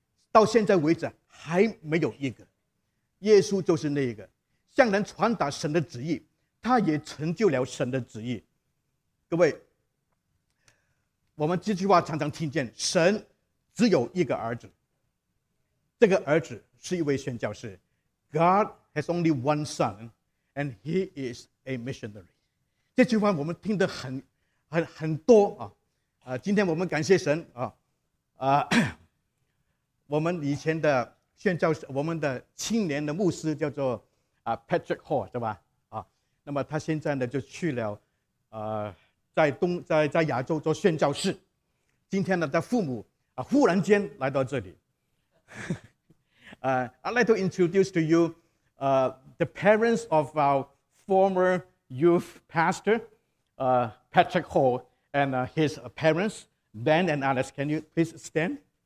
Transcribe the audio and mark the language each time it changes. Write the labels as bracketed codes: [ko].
[zh] 到现在为止还没有一个。耶稣就是那一个，向人传达神的旨意。他也成就了神的旨意。各位，我们这句话常常听见，神只有一个儿子，这个儿子是一位宣教士。 [en] God has only one son, and he is a missionary. [zh] 这句话我们听得很多啊。今天我们感谢神啊。我们以前的宣教士，我们的青年的牧师叫做Patrick Hall, 是吧？啊，那么他现在呢就去了，在亚洲做宣教士。今天呢，他父母忽然间来到这里。 [en] I'd like to introduce to you, the parents of our former youth pastor, Patrick Hall, and his parents, Ben and Alice. Can you please stand?